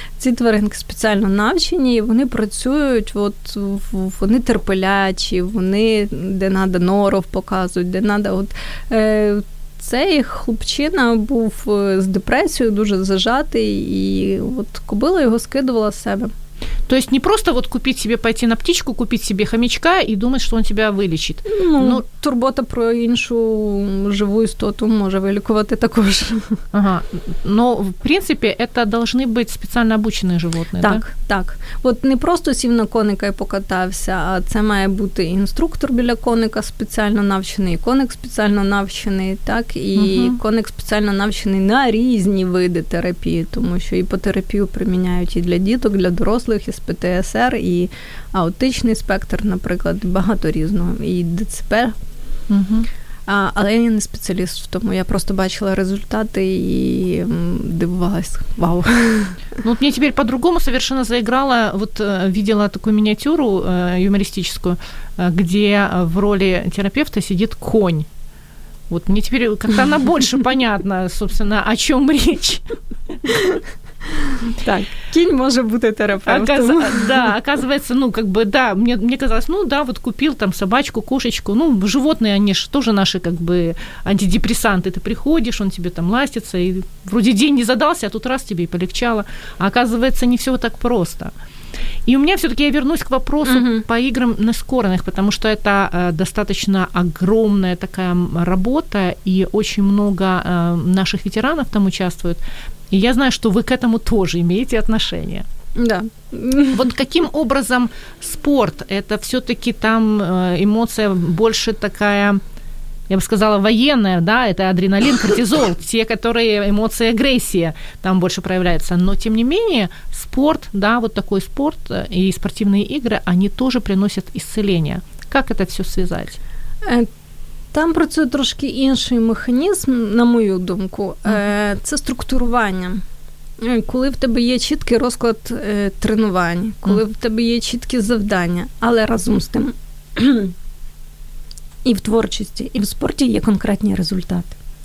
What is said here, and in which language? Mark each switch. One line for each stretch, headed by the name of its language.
Ukrainian: Ці тваринки спеціально навчені, і вони працюють, от, вони терплячі, вони де надо норов показують, де надо... От, цей хлопчина був з депресією, дуже зажатий, і от кобила його скидувала з себе.
Russian: То есть не просто вот купить себе, пойти на птичку, купить себе хомячка и думать, что он тебя вылечит. Ну, но...
Ukrainian: турбота про іншу живу істоту може вилікувати також. Ага.
Russian: Но, в принципі, это должны быть спеціально обучені животные,
Ukrainian: так?
Russian: Да?
Ukrainian: Так, так. От не просто сів на коника і покатався, а це має бути інструктор біля коника спеціально навчений, коник спеціально навчений, так? І угу. коник спеціально навчений на різні види терапії, тому що іпотерапію приміняють і для діток, для дорослих, із ПТСР, і аутичний спектр, наприклад, багато різного, і ДЦП. Угу. Але я не спеціаліст в тому, я просто бачила результати і дивувалась. Вау. Ну, от мені тепер по-другому совершенно заіграла, от бачила таку мініатюру юмористичну, де в ролі терапевта сидить конь. От мені тепер як-то вона більше понятна, собственно, о чому річ. Так, кінь може бути терапевтом.
Russian: Да, оказывается, ну, как бы, да, мне казалось, ну, да, вот купил там собачку, кошечку, ну, животные, они же тоже наши, как бы, антидепрессанты. Ты приходишь, он тебе там ластится, и вроде день не задался, а тут раз тебе и полегчало. А оказывается, не все так просто. И у меня все-таки я вернусь к вопросу угу. по играм на скорых, потому что это достаточно огромная такая работа, и очень много наших ветеранов там участвуют. И я знаю, что вы к этому тоже имеете отношение. Да. Вот каким образом спорт, это все-таки там эмоция больше такая, я бы сказала, военная, да, это адреналин, кортизол, те, которые эмоции агрессии там больше проявляются. Но тем не менее спорт, да, вот такой спорт и спортивные игры, они тоже приносят исцеление. Как это все связать?
Ukrainian: Там працює трошки інший механізм, на мою думку. Це структурування. Коли в тебе є чіткий розклад тренувань, коли в тебе є чіткі завдання, але разом з тим і в творчості, і в спорті є конкретні результати.